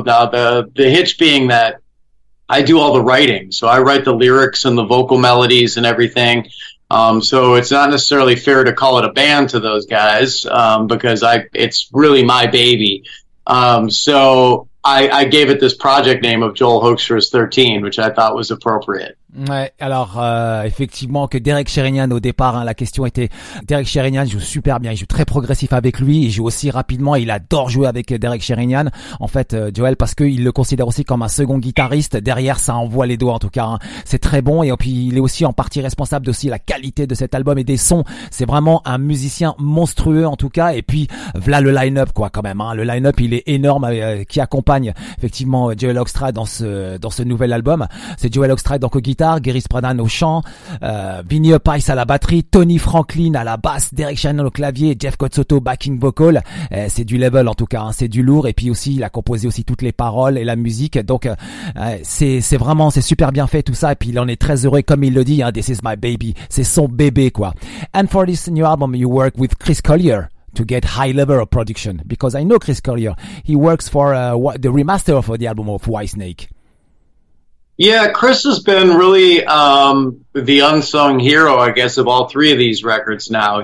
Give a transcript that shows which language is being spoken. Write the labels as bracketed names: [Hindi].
[English] The hitch being that I do all the writing, so I write the lyrics and the vocal melodies and everything. So it's not necessarily fair to call it a band to those guys, because it's really my baby. I gave it this project name of Joel Hoekstra's 13, which I thought was appropriate. [French] Ouais, alors effectivement, que Derek Sherinian au départ, hein, la question était Derek Sherinian joue super bien, il joue très progressif avec lui, il joue aussi rapidement, il adore jouer avec Derek Sherinian en fait, Joel, parce que il le considère aussi comme un second guitariste derrière, ça envoie les doigts en tout cas, hein. C'est très bon, et puis il est aussi en partie responsable aussi la qualité de cet album et des sons. C'est vraiment un musicien monstrueux en tout cas. Et puis voilà le line-up, quoi, quand même, hein. Le line-up, il est énorme, qui accompagne effectivement Joel Hoekstra dans ce nouvel album. C'est Joel Hoekstra donc au guitare, Girish Pradhan au chant, Vinny Appice à la batterie, Tony Franklin à la basse, Derek Sherinian au clavier, Jeff Cotsoto backing vocal. C'est du level en tout cas, hein, c'est du lourd. Et puis aussi, il a composé aussi toutes les paroles et la musique. Donc c'est vraiment super bien fait tout ça. Et puis il en est très heureux, comme il le dit, hein, [English] this is my baby, [French] c'est son bébé, quoi. [English] And for this new album, you work with Chris Collier to get high level of production, because I know Chris Collier, he works for the remaster of the album of Whitesnake. Yeah, Chris has been really the unsung hero, I guess, of all three of these records now.